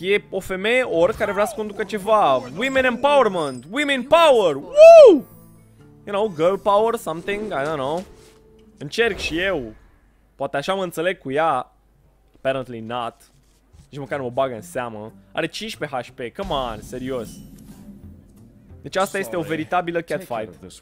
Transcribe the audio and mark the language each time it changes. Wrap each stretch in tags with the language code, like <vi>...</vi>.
<ro>E o femeie orc care vrea să conducă ceva.</ro> <en>Women empowerment. Women power. Woo! You know, girl power, something, I don't know.</en> <ro>Încerc și eu. Poate așa mă înțeleg cu ea.</ro> <en>Apparently not.</en> <ro>Nici măcar nu mă bagă în seamă. Are 15 HP.</ro> <en>Come on,</en> <ro>serios. Deci asta este o veritabilă catfight.</ro>